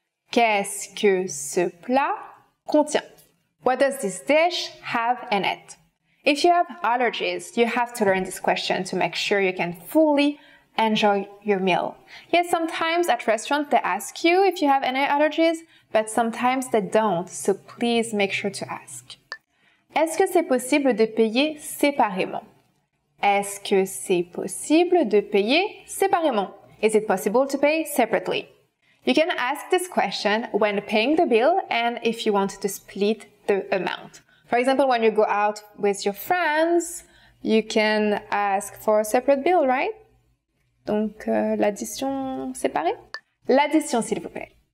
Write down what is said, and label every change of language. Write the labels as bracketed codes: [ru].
[fr] Qu'est-ce que ce plat contient? [en] What does this dish have in it? If you have allergies, you have to learn this question to make sure you can fully enjoy your meal. Yes, sometimes at restaurant they ask you if you have any allergies, but sometimes they don't, so please make sure to ask. [fr] Est-ce que c'est possible de payer séparément? Est-ce que c'est possible de payer séparément? [en] Is it possible to pay separately? You can ask this question when paying the bill and if you want to split the amount. For example, when you go out with your friends, you can ask for a separate bill, right? [fr] Donc, l'addition séparée? L'addition, s'il vous plaît.